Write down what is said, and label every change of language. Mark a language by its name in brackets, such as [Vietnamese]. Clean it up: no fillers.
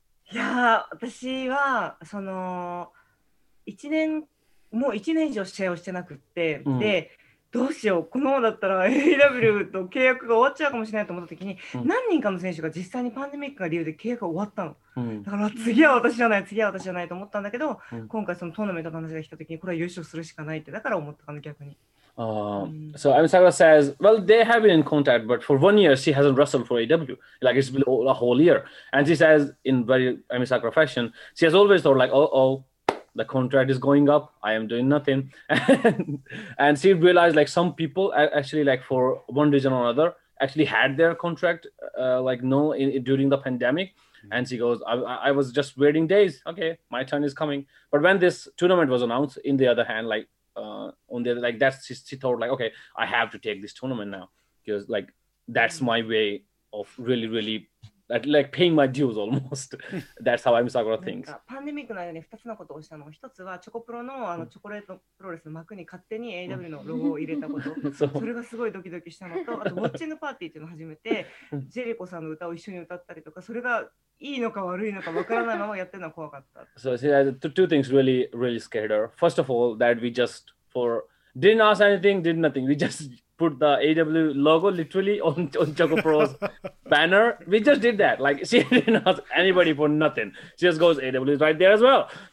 [Japanese] いや、私はその1年もう1年以上試合をしてなくって、うん、でどうしようこのままだったら AW と契約が終わっちゃうかもしれないと思った時に、うん、何人かの選手が実際にパンデミックが理由で契約が終わったの、うん、だから次は私じゃないと思ったんだけど、うん、今回そのトーナメントの話が来た時にこれは優勝するしかないってだから思ったの逆に。 [English] So Emi Sakura says, well, they have been in contact, but for 1 year, she hasn't wrestled for AEW. Like, it's been a whole year. And she says, in very Emi Sakura fashion, she has always thought, like, oh, the contract is going up. I am doing nothing. And she realized, like, some people actually, like, for one reason or another, actually had their contract, during the pandemic. Mm-hmm. And she goes, I was just waiting days. Okay, my turn is coming. But when this tournament was announced, in the other hand, like, she thought, like, okay, I have to take this tournament now, because, like, that's my way of really, really like paying my dues almost. That's how I'm Sakura thinks. [Japanese] パンデミックの間に2つのことをしたの。1つはチョコプロの、あのチョコレートプロレスの幕に勝手に AW のロゴを入れたこと。それがすごいドキドキしたのと、あとウォッチングパーティーっていうのを始めて、ジェリコさんの歌を一緒に歌ったりとか、それがいいのか悪いのかわからないままやってるのは怖かった。 [English] So see, two things really, really scared her. First of all, that we just for didn't ask anything, did nothing. We just... put the AW logo literally on Choco Pro's banner. We just did that. Like, she didn't ask anybody for nothing. She just goes, AW is right there as well.